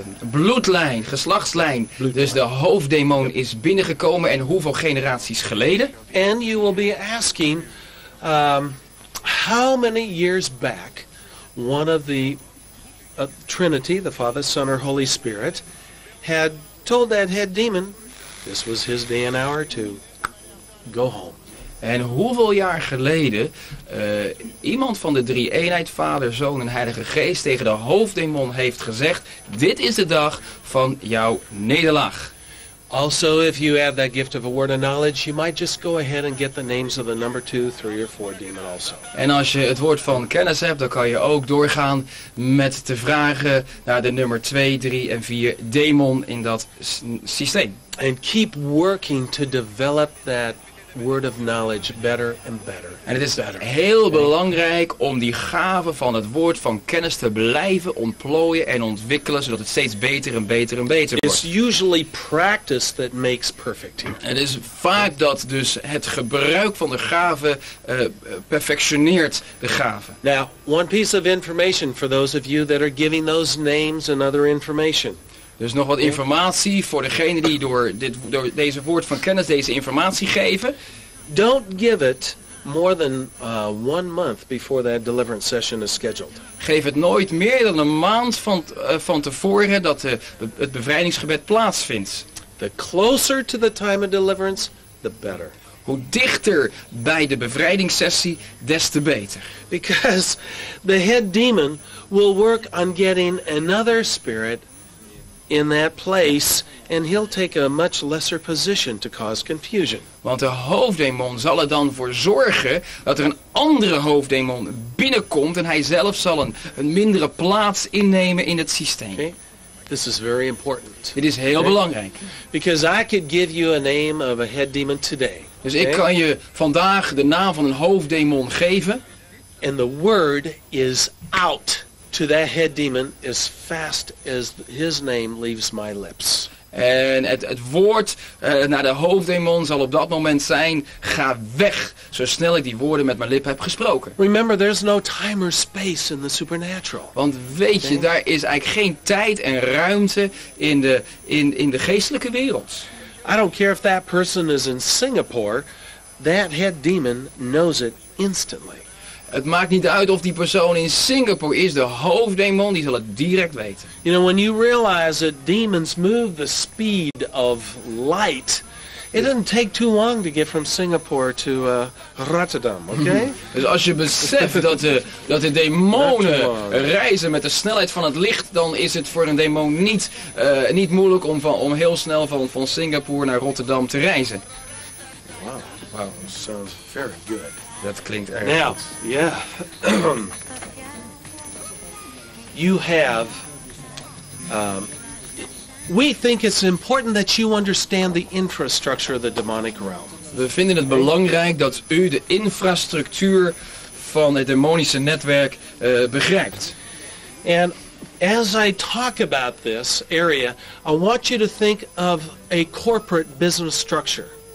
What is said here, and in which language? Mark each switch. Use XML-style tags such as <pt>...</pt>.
<nl>Bloedlijn, geslachtslijn. Bloedlijn. Dus de hoofddemon is binnengekomen en hoeveel generaties geleden?</nl> <en>And you will be asking how many years back one of the Trinity, the Father, Son, or Holy Spirit, had told that head demon this was his day and hour to go home.</en> <nl>En hoeveel jaar geleden iemand van de drie eenheid, Vader, Zoon en Heilige Geest, tegen de hoofddemon heeft gezegd, dit is de dag van jouw nederlaag.</nl> <en>Also, if you have that gift of a word of knowledge, you might just go ahead and get the names of the number 2, 3 or 4 demon also.</en> <nl>En als je het woord van kennis hebt, dan kan je ook doorgaan met te vragen naar de nummer 2, 3 en 4 demon in dat systeem.</nl> <en>And keep working to develop that word of knowledge better and better.</en> <nl>En het is heel belangrijk om die gave van het woord van kennis te blijven ontplooien en ontwikkelen zodat het steeds beter en beter en beter wordt.</nl> <en>It's usually practice that makes perfect.</en> <nl>Het is vaak dat dus het gebruik van de gave perfectioneert de gave.</nl> <en>Now, one piece of information for those of you that are giving those names and other information.</en> <nl>Dus nog wat informatie voor degene die door deze woord van kennis deze informatie geven.</nl> <en>Don't give it more than 1 month before that deliverance session is scheduled.</en> <nl>Geef het nooit meer dan een maand van tevoren dat het bevrijdingsgebed plaatsvindt.</nl> <en>The closer to the time of deliverance, the better.</en> <nl>Hoe dichter bij de bevrijdingssessie, des te beter.</nl> <en>Because the head demon will work on getting another spirit in that place, and he'll take a much lesser position to cause confusion.</en> <nl>Want de hoofddemon zal er dan voor zorgen dat er een andere hoofddemon binnenkomt en hij zelf zal een mindere plaats innemen in het systeem.</nl> <en>Okay. This is very important.</en> <nl>Dit is heel belangrijk.</nl> <en>Because I could give you a name of a head demon today.</en> <nl>Dus ik kan je vandaag de naam van een hoofddemon geven.</nl> <en>And the word is out to that head demon as fast as his name leaves my lips.</en> <nl>En het woord naar de hoofddemon zal op dat moment zijn: ga weg, zo snel ik die woorden met mijn lip heb gesproken.</nl> <en>Remember, there's no time or space in the supernatural.</en> <nl>Want weet je, daar is eigenlijk geen tijd en ruimte in de geestelijke wereld.</nl> <en>I don't care if that person is in Singapore, that head demon knows it instantly.</en> <nl>Het maakt niet uit of die persoon in Singapore is, de hoofddemon, die zal het direct weten.</nl> <en>You know, when you realize that demons move the speed of light, it doesn't take too long to get from Singapore to Rotterdam, okay?</en> <nl>Dus als je beseft dat de demonen reizen met de snelheid van het licht, dan is het voor een demon niet moeilijk om heel snel van Singapore naar Rotterdam te reizen.</nl> <en>Wow, that sounds very good.</en> <nl>Dat klinkt erg</nl> <en>now,</en> <nl>goed.</nl> <en>Yeah. You have we think it's important that you understand the infrastructure of the demonic realm.</en> <nl>We vinden het belangrijk dat u de infrastructuur van het demonische netwerk begrijpt.</nl> <en>And as I talk about this area, I want you to think of a corporate business structure.</en>